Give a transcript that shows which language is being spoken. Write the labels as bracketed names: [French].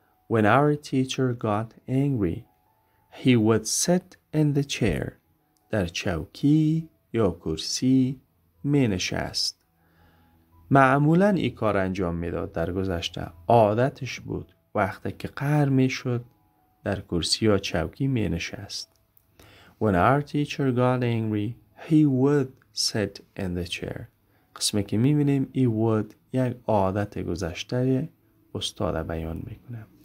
[English] When our teacher got angry he would sit in the chair. [Persian] در چوکی یا کرسی می نشست. معمولا این کار انجام میداد در گذشته. عادتش بود وقتی که قهر میشد در کرسی یا چوکی می نشست. [English] When our teacher got angry, he would sit in the chair. [Persian] قسمی که می‌بینیم he would یک عادت گذشته استاد بیان می‌کنه.